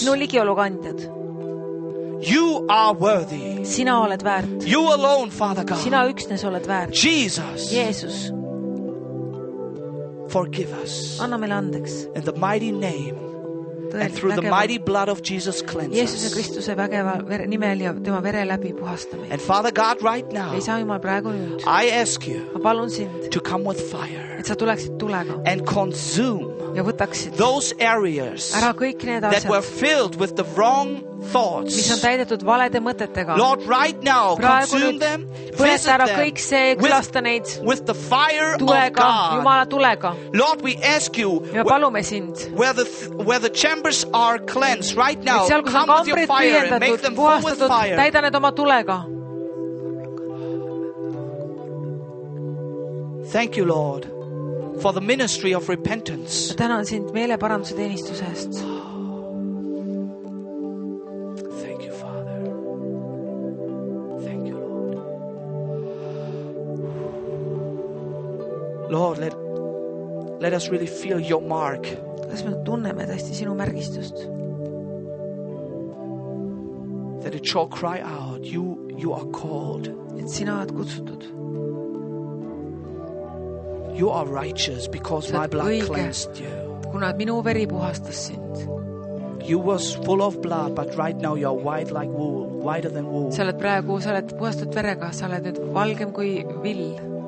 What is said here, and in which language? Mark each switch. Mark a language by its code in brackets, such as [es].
[et] Sinu ligiolu kandjad. [en] You are worthy. [et] Sina oled väärt. [en] You alone, Father God. [et] Sina üksnes oled väärt. [en] Jesus. [et] Jeesus. [en] Forgive us. [et] Anna meile andeks. [en] In the mighty name. And through the mighty blood of Jesus cleanse us. [et] Jeesuse Kristuse vägeva nimel ja tema vere läbi puhastame. [en] And Father God, right now, I ask you to come with fire. [et] Et sa tuleksid tulega. [en] And consume [et] ja võtaksid [en] those areas [et] ära kõik need asjad, [en] that were filled with the wrong thoughts. [et] Mis on täidetud valede mõtetega. [en] Lord, right now, consume them, visit [et] ära kõik see, külasta neid [en] with the fire [et] tulega, [en] of God. [et] Jumala tulega. [en] Lord, we ask you where the chambers are cleansed right now, [et] seal, [en] come with your fire and make them full with fire. [et] Täida need oma tulega. [en] Thank you, Lord, for the ministry of repentance. [et] Täna on sind meele paranduse teenistuse eest. [en] Thank you, Father. Thank you, Lord. Lord, let us really feel your mark. [et] Las me tunneme tästi sinu märgistust. [en] That it shall cry out, you are called. [et] Et sina oled kutsutud. [en] You are righteous because my blood cleansed you. [et] Kuna minu veri puhastas sind. [en] You was full of blood, but right now you are white like wool, whiter than wool. [et] Sa oled praegu, sa oled puhastud verega, sa oled nüüd valgem kui vill.